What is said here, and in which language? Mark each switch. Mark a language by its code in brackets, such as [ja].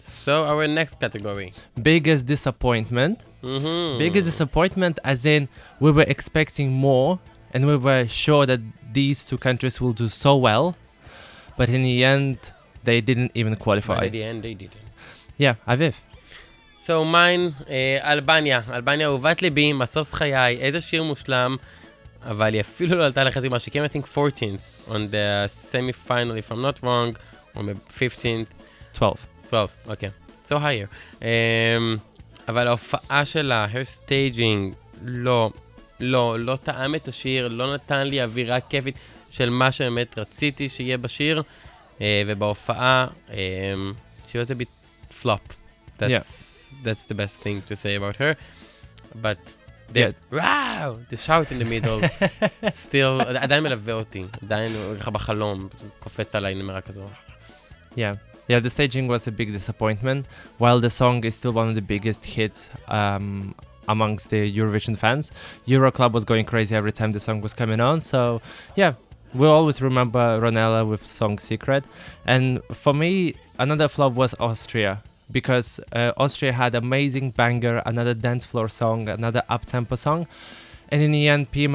[en] So our next category. Biggest disappointment. Mm-hmm. Biggest disappointment, as in we were expecting more, and we were sure that these two countries will do so well, but in the end, they didn't even qualify. But in the end, they didn't. Yeah, Aviv. So mine, Albania. [he] Albania, אהובת ליבי, מסוס חיי, איזה שיר מושלם, אבל היא אפילו לא עלתה לחזימה. [en] She came, I think, 14th on the semi-final, if I'm not wrong, on the 15th. 12th, okay. So higher. [he] אבל ההופעה שלה, [en] her staging, [he] לא... לא, לא טעם את השיר, לא נתן לי אווירה כיפית של מה שבאמת רציתי שיהיה בשיר, ובהופעה, [en] she was a bit flop. That's, yeah. That's the best thing to say about her. But the, yeah. Wow, the shout in the middle, still, [he] עדיין מלווה אותי, עדיין בחלום, קופצת עליי נמרה כזו. [en] Yeah. Yeah, the staging was a big disappointment, while the song is still one of the biggest hits, amongst the Eurovision fans. Euroclub was going crazy every time the song was coming on, so yeah, we always remember Ronella with song Secret. And for me, another flop was Austria, because Austria had amazing banger, another dance floor song, another up-tempo song, and in the end P.